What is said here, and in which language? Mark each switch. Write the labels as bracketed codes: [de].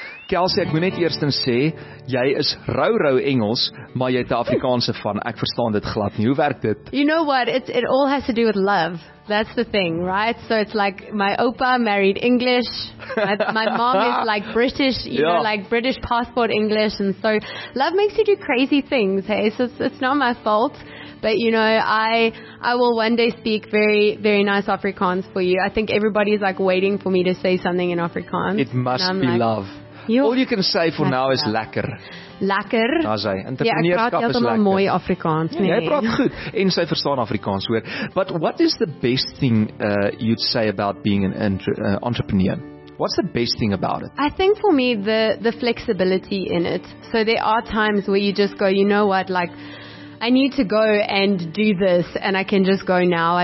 [af] Kelsey, ek moet net eerstens sê, jy is rou Engels, maar jy het 'n Afrikaanse van. Ek verstaan dit glad nie. Hoe werk dit? [en] You know what? It all has to do with love. That's the thing, right? So it's like my opa married English. My mom is like British, you know, like British passport English. And so love makes you do crazy things, hey? So it's not my fault. But, you know, I will one day speak very, very nice Afrikaans for you. I think everybody's like waiting for me to say something in Afrikaans. It must be like, love. All you can say for now is lekker. Lekker. [af] Daar's hy. Entrepreneurskap is lekker. Ja, mooi Afrikaans. Nee. Ja, jy praat goed en sy verstaan Afrikaans, hoor. [en] But what is the best thing you'd say about being an entrepreneur? What's the best thing about it? I think for me the flexibility in it. So there are times where you just go, you know what, like I need to go and do this and I can just go now.